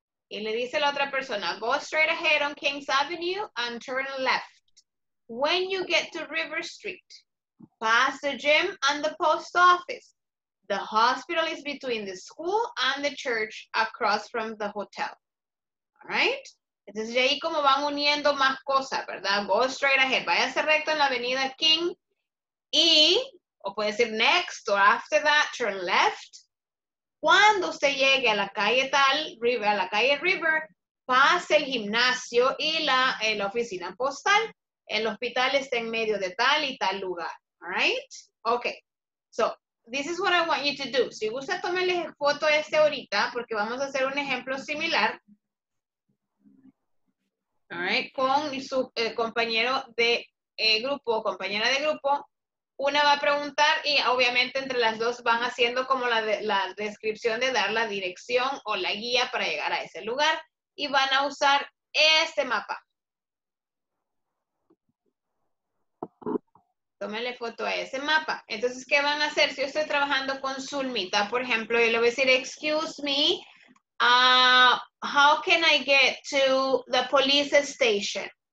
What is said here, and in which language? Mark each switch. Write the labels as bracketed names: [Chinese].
[Spanish] Y le dice la otra persona, [English] go straight ahead on Kings Avenue and turn left. When you get to River Street, pass the gym and the post office. The hospital is between the school and the church across from the hotel. All right? [Spanish] Entonces, ahí como van uniendo más cosas, ¿verdad? [English] Go straight ahead. [Spanish] Váyase recto en la avenida King y... o puede decir [English] next or after that, turn left. [Spanish] Cuando usted llegue a la calle tal, River, a la calle River, pase el gimnasio y la oficina postal. El hospital está en medio de tal y tal lugar. [English] All right? Okay. So, this is what I want you to do. [Spanish] Si gusta, tómele foto este ahorita porque vamos a hacer un ejemplo similar. All right? Con su compañero de grupo, compañera de grupo. Una va a preguntar y obviamente entre las dos van haciendo como la descripción de dar la dirección o la guía para llegar a ese lugar. Y van a usar este mapa. Tómale foto a ese mapa. Entonces, ¿qué van a hacer? Si yo estoy trabajando con Zulmita, por ejemplo, yo le voy a decir, [English] excuse me, How can I get to the police station?